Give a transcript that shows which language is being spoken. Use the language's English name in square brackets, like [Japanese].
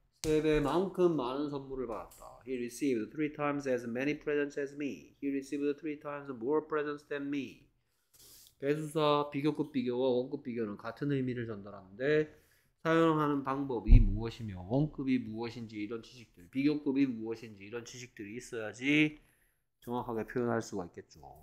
[Korean] 세 배만큼 많은 선물을 받았다. [English] He received three times as many presents as me. He received three times more presents than me. [Korean] 배수사 비교급 비교와 원급 비교는 같은 의미를 전달하는데 사용하는 방법이 무엇이며 원급이 무엇인지 이런 지식들, 비교급이 무엇인지 이런 지식들이 있어야지. 정확하게 표현할 수가 있겠죠.